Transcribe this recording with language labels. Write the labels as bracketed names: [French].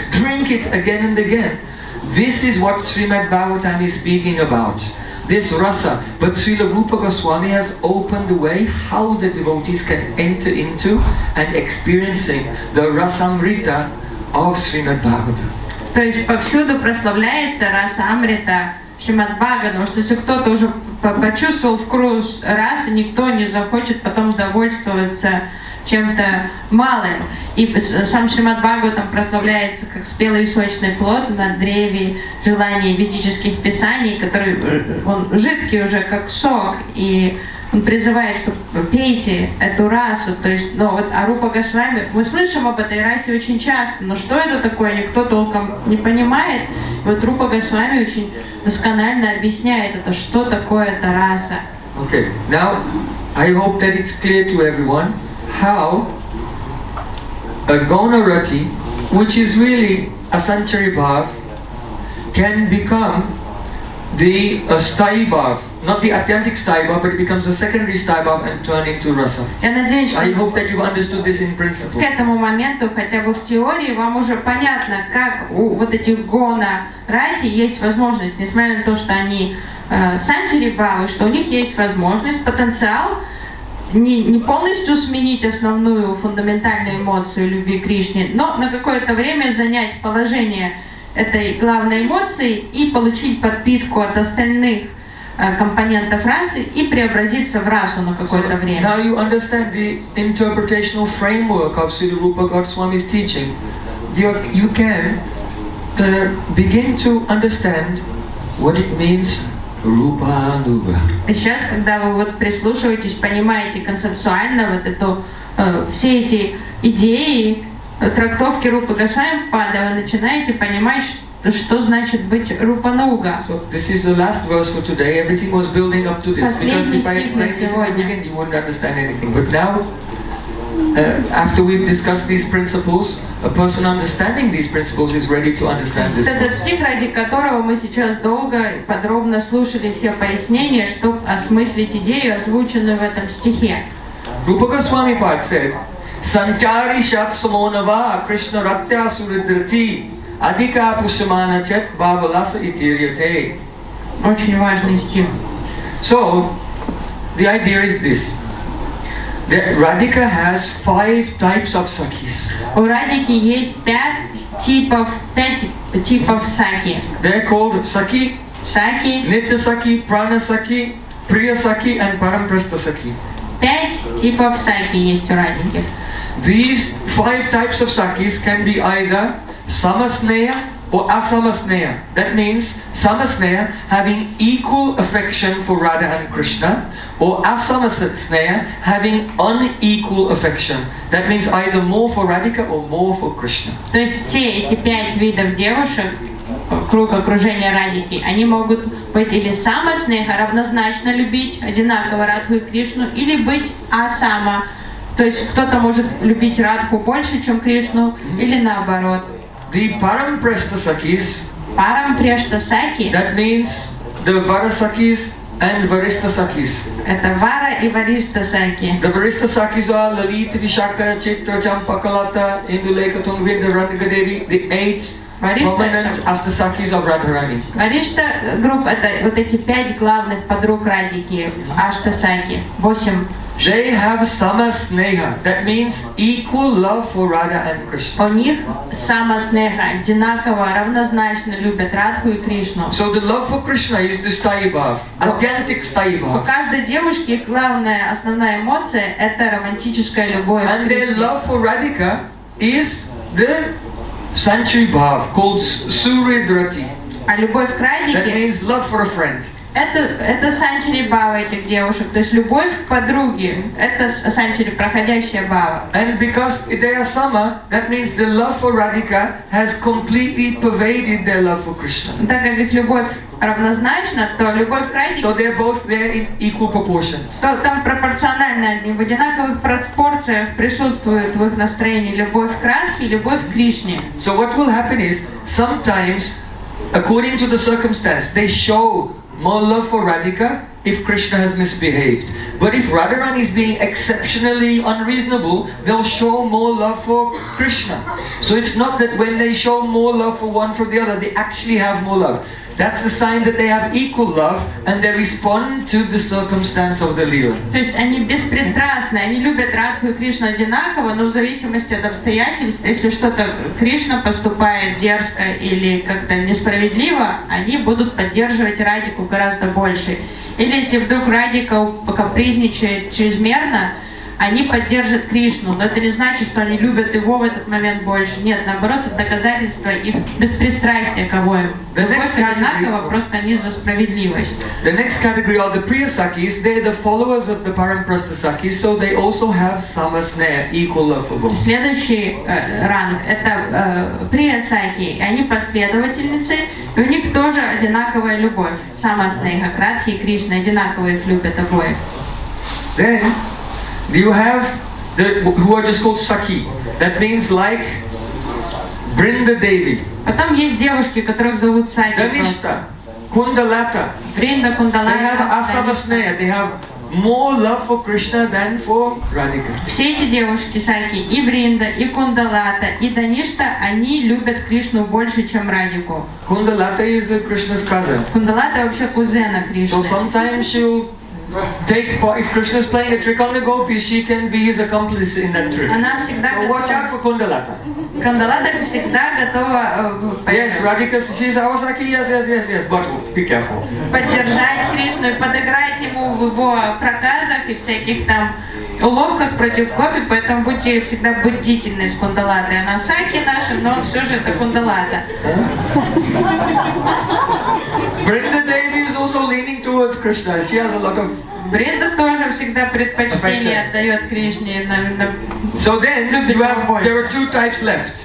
[English] Drink it again and again. This is what Srimad Bhagavatam is speaking about, this rasa. But Srila Rupa Goswami has opened the way how the devotees can enter into and experiencing the rasamrita of Srimad Bhagavatam. [Russian] То есть повсюду прославляется расамрита Шримад Бхагаватам, что если кто-то уже почувствовал вкус расы, никто не захочет потом довольствоваться чем-то малым. И сам Шримад Бхагаватам прославляется как спелый и сочный плод на древе желаний ведических писаний, который он жидкий уже как сок, и он призывает, что пейте эту расу. То есть, ну вот Арупа Госвами, мы слышим об этой расе очень часто, но что это такое, никто толком не понимает. И вот Рупа Госвами очень досконально объясняет это, что такое эта раса. [English] Okay, now I hope that it's clear to everyone how a gonarati, which is really a sanchari bhav, can become the stai bhav. Not the atyantic stai bhav, but it becomes a secondary stai bhav and turn into rasa. I hope that you've understood this in principle. [Russian] К этому моменту, хотя бы в теории, вам уже понятно, как у вот этих гонарати есть возможность, несмотря на то, что они санчари бхавы, что у них есть возможность, потенциал, не полностью сменить основную фундаментальную эмоцию любви к Кришне, но на какое-то время занять положение этой главной эмоции и получить подпитку от остальных компонентов расы и преобразиться в расу на какое-то время. [English] Now you understand the interpretational framework of Sri Rupa Goswami's teaching. You can begin to understand what it means. [Russian] И сейчас, когда вы вот прислушиваетесь, понимаете концептуально вот эту все эти идеи, трактовки Рупы Госвами, вы начинаете понимать, что значит быть Рупануга. [English] So this is the last verse for today. Everything was building up to this. [Russian] Последний [English] because if I explain this in the beginning, you wouldn't understand anything. But now, after we've discussed these principles, a person understanding these principles is ready to understand this. [Russian] Этот стих, ради которого мы сейчас долго и подробно слушали все пояснения, чтобы осмыслить идею, озвученную в этом стихе. [English] Rupa Goswami Pad said, [Sanskrit] Sanchari shat samonava Krishna ratya suridrati adhika pushmana chet bhavalasa itiryate. [Russian] Очень важный стих. [English] So, the idea is this. That Radhika has five types of sakis. [Russian] У Радики есть пять типов саки. [English] They're called saki. [Russian] Саки. Нитя саки, прана саки, прия саки, [English] and [Russian] парампрастха саки. Пять типов саки есть у Радики. [English] These five types of sakis can be either самаснея or асамаснея. That means самаснея, having equal affection for Radha and Krishna, or асамаснея, having unequal affection. That means either more for Radhika or more for Krishna. [Russian] То есть все эти пять видов девушек круг окружения Радики. Они могут быть или самаснеха, равнозначно любить одинаково Радху и Кришну, или быть асама, то есть кто-то может любить Радху больше, чем Кришну, или наоборот. [English] The Parampreshtasakis, Parampreshtasaki, that means the Varasakis and Varistasakis. [Russian] Это Вара и Варистасаки. [English] The Varistasakis are Lalita, Vishaka, Chitra, Champakalata, Induleka, Tungvinda, Ranagadevi, the eight prominent Astasakis of Radharani. Varista group, [Russian] это вот эти пять главных подруг Радики, Аштасаки, восемь. [English] They have samasneha, that means equal love for Radha and Krishna. [Russian] У них самаснеха, одинаково, равнозначно любят Радху и Кришну. [English] So the love for Krishna is the sthayi bhav, authentic sthayi bhav. [Russian] У каждой девушки главная основная эмоция – это романтическая любовь. [English] And their love for Radhika is the sanctuary bhav called suridrati. [Russian] А любовь к Радике? [English] That means love for a friend. [Russian] Это санчари бава этих девушек, то есть любовь к подруге, это санчари проходящая бава. [English] And because they are sama, that means the love for Radhika has completely pervaded their love for Krishna. [Russian] Так как их любовь равнозначна, то любовь к Радике. [English] So they're both there in equal proportions. [Russian] То там пропорционально они в одинаковых пропорциях присутствуют в их настроении любовь к Радхе и любовь к Кришне. [English] So what will happen is sometimes, according to the circumstance, they show more love for Radhika if Krishna has misbehaved. But if Radharani is being exceptionally unreasonable, they'll show more love for Krishna. So it's not that when they show more love for one from the other, they actually have more love. That's the sign that they have equal love and they respond to the circumstance of the lila. [Russian] То есть они беспристрастны, они любят Радху и Кришну одинаково, но в зависимости от обстоятельств, если что-то Кришна поступает дерзко или как-то несправедливо, они будут поддерживать Радику гораздо больше. Или если вдруг Радика покапризничает чрезмерно, они поддержат Кришну, но это не значит, что они любят его в этот момент больше. Нет, наоборот, это доказательство их беспристрастия к обоим. Одинаково, просто они за справедливость. [English] The next category are the Priyasakis. They're the followers of the Parampreshtasakis, so they also have samasneha, equal love for both. [Russian] Следующий ранг – это Priyasaki. Они последовательницы, и у них тоже одинаковая любовь. Самаснеха, Радхи и Кришна одинаково их любят обоих. [English] Then, you have the who are just called Sakhi. That means like Brinda Devi. [Russian] А там есть девушки, которых зовут Сакхи. Даништа, Кундалата. Бринда Кундалата. [English] They have асабаснея. They have more love for Krishna than for Radhika. [Russian] Все эти девушки Сакхи, и Бринда, и Кундалата, и Даништа, они любят Кришну больше, чем Радику. [English] Кундалата is Krishna's cousin. [Russian] Кундалата вообще кузена Кришны. [English] So sometimes she'll take part. If Krishna is playing a trick on the gopis, she can be his accomplice in that trick. So watch out for Kundalata. Kundalata is always ready. Yes, Radhika, she is our Sakhi. Yes, yes, yes, yes. But be careful. [Russian] Поддержать Кришну, подыграть ему в его проказах и всяких там уловках против гопи, поэтому будьте всегда бдительны с Кундалатой. Она Сакхи наша, но все же это Кундалата. [English] Brinda Devi is also leaning towards Krishna. She has a lot of [Russian] Бринда тоже всегда предпочтение отдает Кришне. [English] So then you have, there are two types left.